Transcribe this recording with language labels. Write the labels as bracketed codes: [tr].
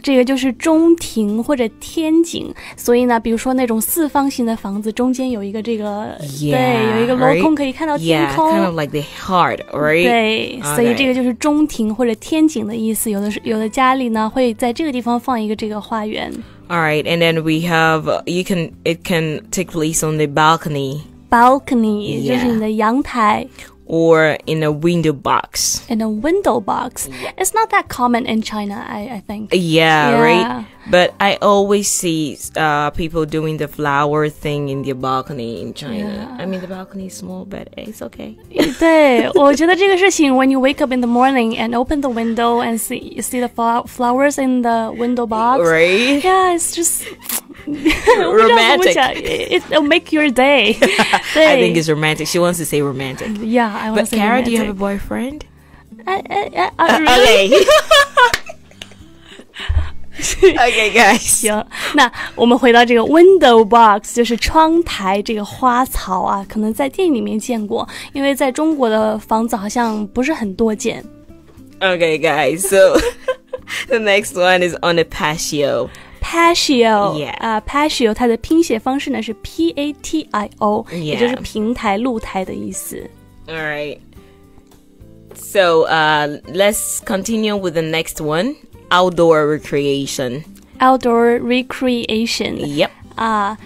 [zh] 这个就是中庭或者天井。所以呢比如说那种四方形的房子中间有一个这个 [en] yeah, [zh] 对有一个镂空、 [en] right? [zh] 可以看到天空。 [en] Yeah, kind of like the heart, right? [zh] 对、 [en] okay. [zh] 所以这个就是中庭或者天井的意思。有的家里呢会在这个地方放一个这个花园。 [en] Alright, and then we have, it can take place on the balcony. Balcony,、yeah. [zh] 就是你的阳台。 [en] or in a window box. In a window box. It's not that common in China, I think. Yeah, right? But I always see people doing the flower thing in their balcony in China. Yeah. I mean, the balcony is small, but it's okay. [zh] 对，我觉得这个事情 [en] when you wake up in the morning and open the window and see the flowers in the window box. Right? Yeah, it's just... romantic. It'll make your day. I think it's romantic. She wants to say romantic. Yeah, I want to say Kara, romantic. Do you have a boyfriend? Really? Okay, guys. [zh] 行，那我们回到这个 window box, 就是窗台这个花草啊，可能在电影里面见过，因为在中国的房子好像不是很多见。 [en] Okay, guys. So, the next one is on a patio. Patio, yeah. [zh] Patio, 它的拼写方式呢是 P-A-T-I-O,、 [en] yeah. [zh] 也就是平台、露台的意思。 [en] All right. So, let's continue with the next one. Outdoor recreation. Outdoor recreation. Yep.